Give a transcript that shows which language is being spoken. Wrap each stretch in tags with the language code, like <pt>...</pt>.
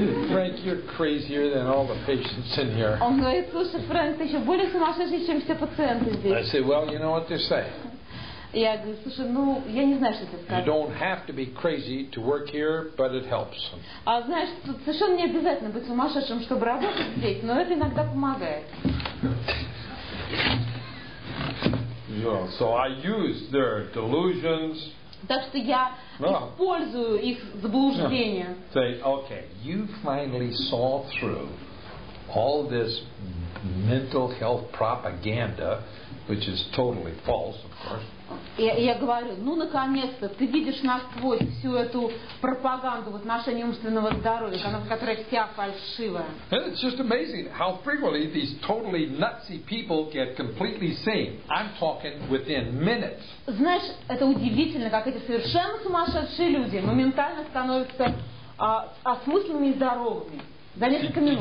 <en>Frank, you're crazier than all the patients in here.</en> <ru>Он говорит, слушай, Фрэнк, ты еще более сумасшедший, чем все пациенты здесь.</ru> <en>I say, well, you know what they say.</en> <ru>Я говорю, слушай, ну, я не знаю, что ты скажешь.</ru> <en>You don't have to be crazy to work here, but it helps.</en> <ru>А знаешь, тут совершенно не обязательно быть сумасшедшим, чтобы работать здесь, но это иногда помогает.</ru> <en>Israel. So I used their delusions.</en> <ru>Так что я использую их заблуждения.</ru> <en>Say, okay, you finally saw through all this mental health propaganda, which is totally false, of course.</en> <ru>Я говорю, ну наконец-то ты видишь насквозь всю эту пропаганду в отношении умственного здоровья, которая вся фальшивая.</ru> <en>It's just amazing how frequently these totally nutsy people get completely sane. I'm talking within minutes.</en> <ru>Знаешь, это удивительно, как эти совершенно сумасшедшие люди моментально становятся осмысленными и здоровыми за несколько минут.</ru>